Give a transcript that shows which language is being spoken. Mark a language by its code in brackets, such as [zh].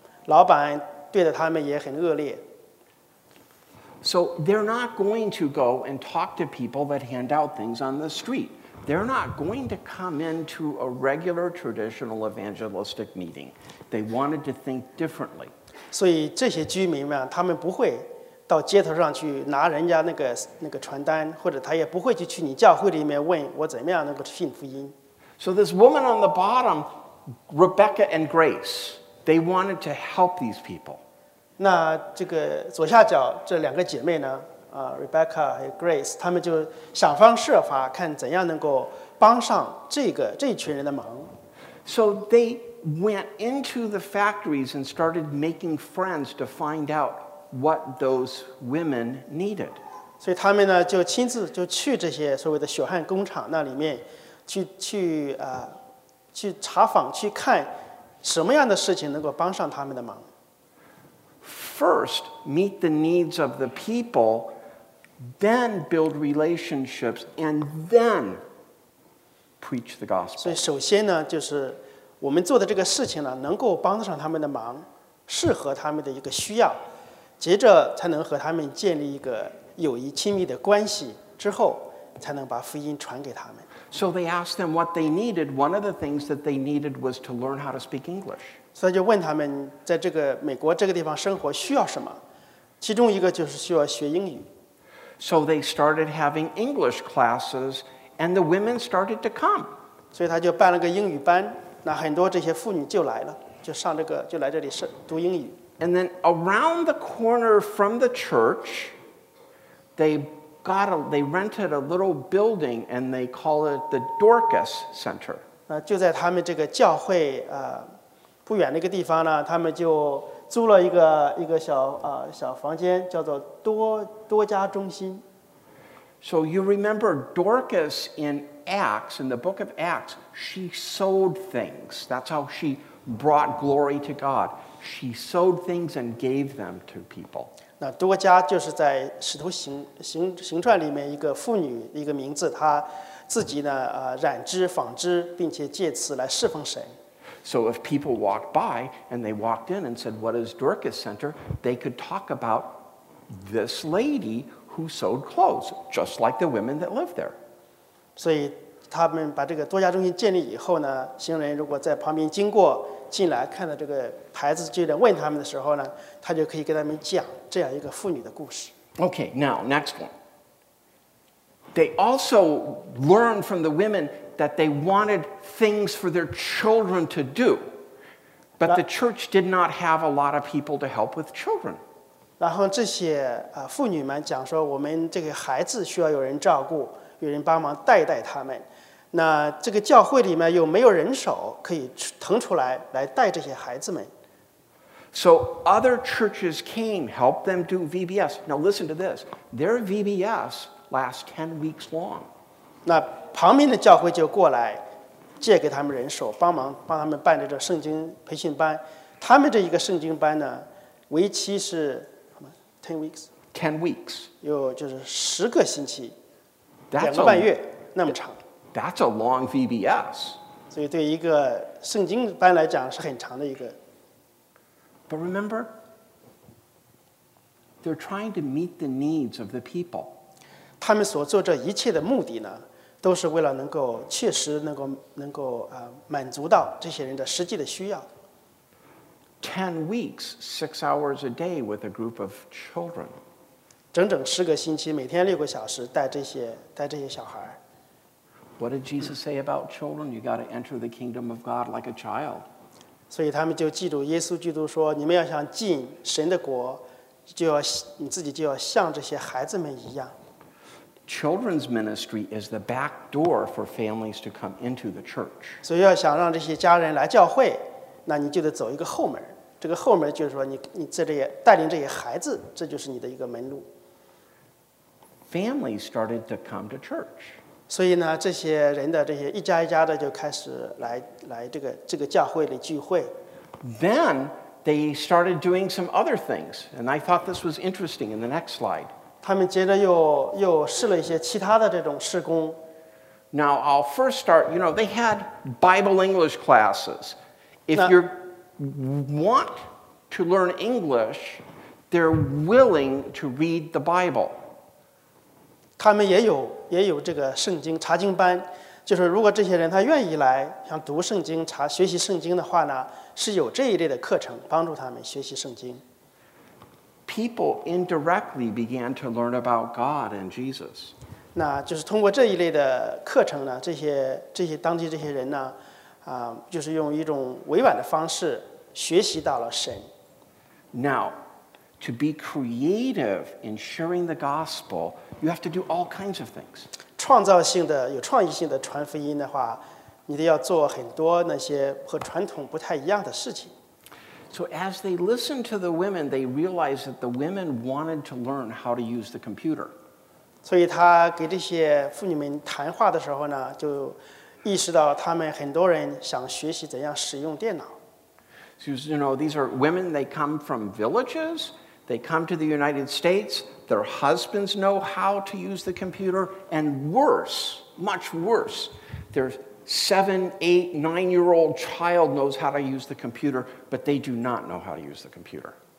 [zh] 老板对待他们也很恶劣。 [en] So they're not going to go and talk to people that hand out things on the street. They're not going to come into a regular traditional evangelistic meeting. They wanted to think differently. [zh] 所以这些居民们，他们不会到街头上去拿人家那个传单，或者他也不会去你教会里面问我怎么样能够信福音。 [en] So this woman on the bottom, Rebecca and Grace, they wanted to help these people. [zh] 那这个左下角这两个姐妹呢？Rebecca 和 Grace， 他们就想方设法看怎样能够帮上这一群人的忙。 [en] So they went into the factories and started making friends to find out what those women needed. [zh] 所以他们呢就亲自就去这些所谓的血汗工厂那里面去查访，去看什么样的事情能够帮上他们的忙。 [en] First, meet the needs of the people. Then build relationships, and then preach the gospel. [zh] 所以首先呢，就是我们做的这个事情呢，能够帮得上他们的忙，适合他们的一个需要，接着才能和他们建立一个友谊亲密的关系，之后才能把福音传给他们。 [en] So they asked them what they needed. One of the things that they needed was to learn how to speak English. [zh] 所以就问他们在这个美国这个地方生活需要什么，其中一个就是需要学英语。 [en] So they started having English classes, and the women started to come. [zh] 所以他就办了个英语班，那很多这些妇女就来了，就上这个，就来这里读英语。 [en] And then around the corner from the church, they rented a little building, and they call it the Dorcas Center. [zh] 就在他们这个教会不远那个地方呢，他们就租了一个小房间，叫做多加中心。 [en] So you remember Dorcas in Acts, in the book of Acts, she sold things. That's how she brought glory to God. She sold things and gave them to people. [zh] 那多加就是在《使徒行传》里面一个妇女一个名字，她自己呢染织纺织，并且借此来侍奉神。 [en] So if people walked by and they walked in and said, "What is Dorcas Center?" they could talk about this lady who sewed clothes, just like the women that lived there. [zh] 所以他们把这个多家中心建立以后呢，行人如果在旁边经过进来看到这个牌子，就在问他们的时候呢，他就可以跟他们讲这样一个妇女的故事。 [en] Okay, now next one. They also learned from the women. That they wanted things for their children to do, but the church did not have a lot of people to help with children. [zh] 然后这些妇女们讲说，我们这个孩子需要有人照顾，有人帮忙带他们。那这个教会里面又没有人手可以腾出来带这些孩子们。 [en] So other churches came, helped them do VBS. Now listen to this: their VBS lasts 10 weeks long. [zh] 那旁边的教会就过来借给他们人手帮忙帮他们办的这圣经培训班他们这一个圣经班呢为期是 [en] 10 weeks [zh] 有就是十个星期两个半月那么长 [en] That's a long VBS [zh] 所以对一个圣经班来讲是很长的一个 [en] But remember they're trying to meet the needs of the people [zh] 他们所做这一切的目的呢都是为了能够确实能够满足到这些人的实际的需要。 [en] 10 weeks, 6 hours a day with a group of children. [zh] 整整十个星期，每天6个小时带这些小孩。 [en] What did Jesus say about children? You got to enter the kingdom of God like a child. [zh] 所以他们就记住耶稣基督说：“你们要想进神的国，就要你自己就要像这些孩子们一样。” [en] Children's ministry is the back door for families to come into the church. [zh] 所以要想让这些家人来教会，那你就得走一个后门。这个后门就是说你在这里带领这些孩子，这就是你的一个门路。 [en] Families started to come to church. [zh] 所以呢，这些人的这些一家一家的就开始来这个教会里聚会。 [en] Then they started doing some other things, and I thought this was interesting in the next slide. [zh] 他们接着又试了一些其他的这种事工。 [en] Now I'll first start. You know, they had Bible English classes. If you want to learn English, they're willing to read the Bible. [zh] 他们也有这个圣经查经班，就是如果这些人他愿意来想读圣经、查学习圣经的话呢，是有这一类的课程帮助他们学习圣经。 [en] People indirectly began to learn about God and Jesus. [zh] 那就是通过这一类的课程呢，这些当地这些人呢，就是用一种委婉的方式学习到了神。 [en] Now, to be creative in sharing the gospel, you have to do all kinds of things. [zh] 创造性的、有创意性的传福音的话，你得要做很多那些和传统不太一样的事情。 [en] So as they listened to the women, they realized that the women wanted to learn how to use the computer. [zh] 所以他给这些妇女们谈话的时候呢，就意识到他们很多人想学习怎样使用电脑。 [en] So you know, these are women, they come from villages, they come to the United States, their husbands know how to use the computer, and worse, much worse, there's... 7, 8, 9-year-old child knows how to use the computer, but they do not know how to use the computer.